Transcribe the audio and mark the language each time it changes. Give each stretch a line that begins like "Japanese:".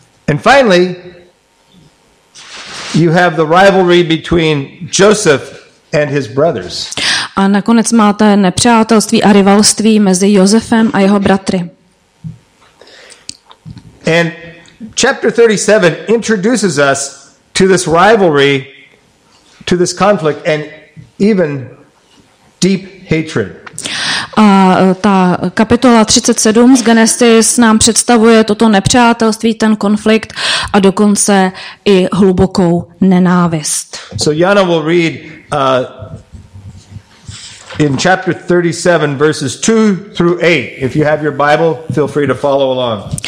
English: And finally, you have the rivalry between Joseph and his brothers.
Czech: A nakonec máte nepřátelství a rivalství mezi Josefem a jeho bratry.
English: And chapter 37 introduces us to this rivalry, to this conflict, and even deep hatred.
Czech: A ta kapitola 37 z Genesis nám představuje toto nepřátelství, ten konflikt a dokonce i hlubokou nenávist.
English: So Jana will read in chapter 37 verses 2 through 8. If you have your Bible, feel free to follow along.